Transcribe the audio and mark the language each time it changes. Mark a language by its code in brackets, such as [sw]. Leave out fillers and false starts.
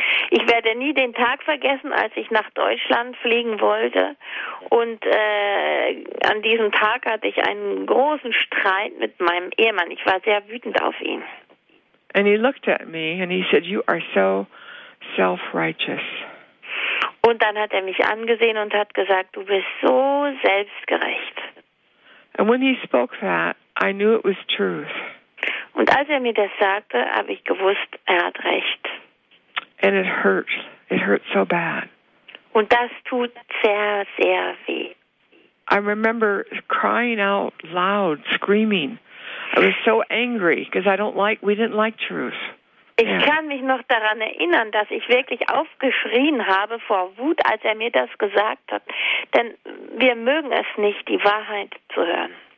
[de] Ich werde nie den Tag vergessen, als ich nach Deutschland fliegen wollte. Und an diesem Tag hatte ich einen großen Streit mit meinem Ehemann. Ich war sehr wütend auf ihn. [en] And he looked at me and he said, you are so self-righteous. [de] Und dann hat er mich angesehen und hat gesagt, du bist so selbstgerecht. [en] And when he spoke that, I knew it was truth. [de] Und als er mir das sagte, habe ich gewusst, er hat recht. [en] And it hurts. It hurts so bad. [de] Und das tut sehr, sehr weh. [en] I remember crying out loud, screaming. I was so angry because we didn't like truth. [de] Ich kann mich noch daran erinnern, dass ich wirklich aufgeschrien habe vor Wut, als er mir das gesagt hat. Denn wir mögen es nicht, die Wahrheit zu hören.